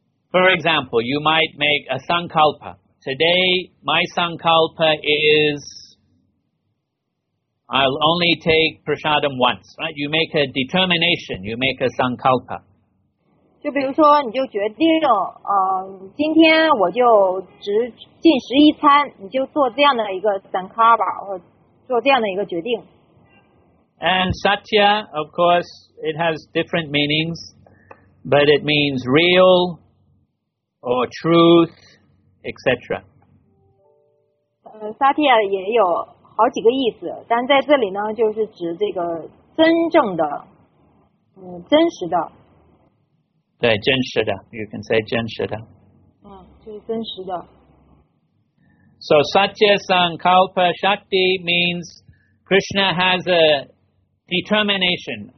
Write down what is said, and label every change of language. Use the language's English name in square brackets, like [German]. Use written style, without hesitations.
[English] For example, you might make a sankalpa. Today, my sankalpa is, I'll only take prasadam once, right? You make a determination, you make a sankalpa. [Chinese] 就比如说你就决定今天我就只进食一餐，你就做这样的一个 sankalpa 或做这样的一个决定。 [English] And satya, of course, it has different meanings, but it means real or truth, etc. [Chinese] Satya 也有好几个意思，但在这里呢就是指这个真正的真实的。对，真实的 ， [English] you can say [Chinese] 真实的。就是真实的。 [English] So Satya Sankalpa Shakti means Krishna has a determination.